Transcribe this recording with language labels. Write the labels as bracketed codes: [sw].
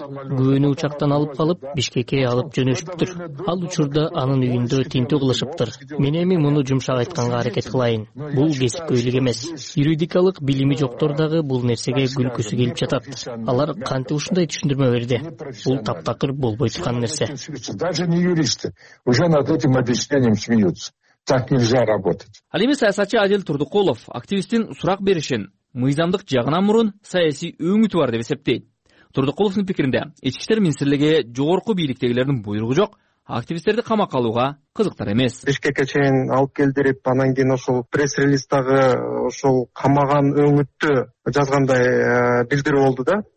[ky] Күйөөнү учактан алып калып, Бишкекке алып жөнөшүптүр. Ал учурда анын үйүндө тинтүү кылышыптыр. Мен эми муну жумшак айтканга аракет кылайын. Бул кесипкөйлүк эмес. Юридикалык билими жоктор дагы бул нерсеге күлкүсү келип жатат. Алар кантип ушундай түшүндүрмө берди? Бул таптакыр болбойт турган нерсе. [ru] Даже не юристы уже над этим объяснением смеются. Так нельзя работать. [ky] Ал эми саясатчы Адил Турдукулов активисттин сурак беришин мыйзамдык жагынан мурун саясий өңүтү бар деп эсептейт. Турдукуловдун пикиринде ички иштер министрлиги жогорку бийликтегилердин буйругу жок. Активисттерди камакка алууга кызыктар эмес. Бишкекке чейин алып келдирип, анан кийин ошол пресс-релиздеги ошол камаган өңүттү жазгандай билдирүү болду да.